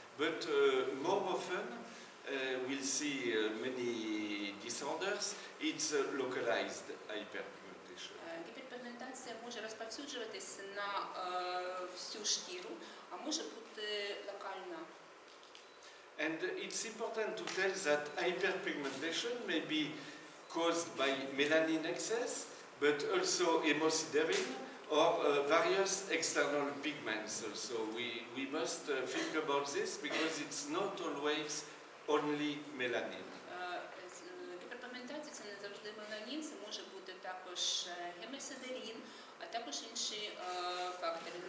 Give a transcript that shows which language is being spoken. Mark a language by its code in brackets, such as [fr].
[en] But more often, we'll see many disorders, it's localized hyperpigmentation. [uk] Гіперпігментація може розповсюджуватися на всю шкіру, а може бути локальна. [en] And it's important to tell that hyperpigmentation may be caused by melanin excess, but also hemosiderin, or various external pigments also. We must think about this because it's not always only melanin. [uk] Гіперпігментація – це не завжди меланін, це може бути також гемосидерін, а також інші фактори.